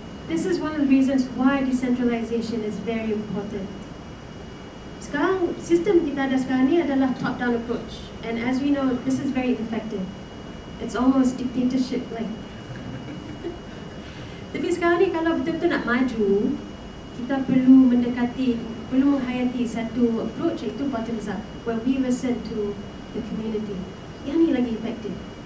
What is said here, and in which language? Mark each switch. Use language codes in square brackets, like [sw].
[en] This is one of the reasons why decentralization is very important. [ms] Sekarang, sistem kita ada sekarang ni adalah top-down approach. [en] And as we know, this is very effective. It's almost dictatorship-like. [ms] Tapi sekarang ni, kalau betul-betul nak maju, kita perlu mendekati, perlu menghayati satu approach, iaitu bottoms-up, [en] where we listen to the community. [ms] Yang ni lagi effective.